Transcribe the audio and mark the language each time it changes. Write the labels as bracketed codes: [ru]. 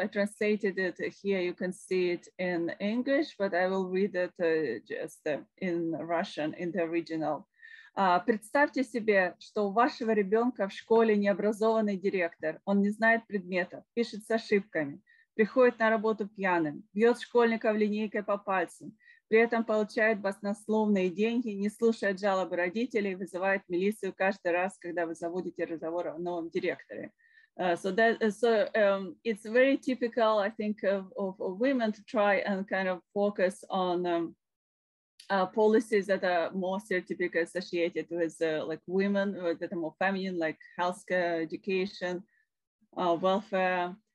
[en] I translated it here. You can see it in English, but I will read it just in Russian in the original. [ru] Представьте себе, что у вашего ребенка в школе необразованный директор. Он не знает предметов, пишет с ошибками, приходит на работу пьяным, бьет школьников линейкой по пальцам, при этом получает баснословные деньги, не слушает жалобы родителей, вызывает милицию каждый раз, когда вы заводите разговор о новом директоре. [en] It's very typical, I think, of women to try and kind of focus on policies that are more stereotypically associated with like women, that are more feminine, like healthcare, education, welfare.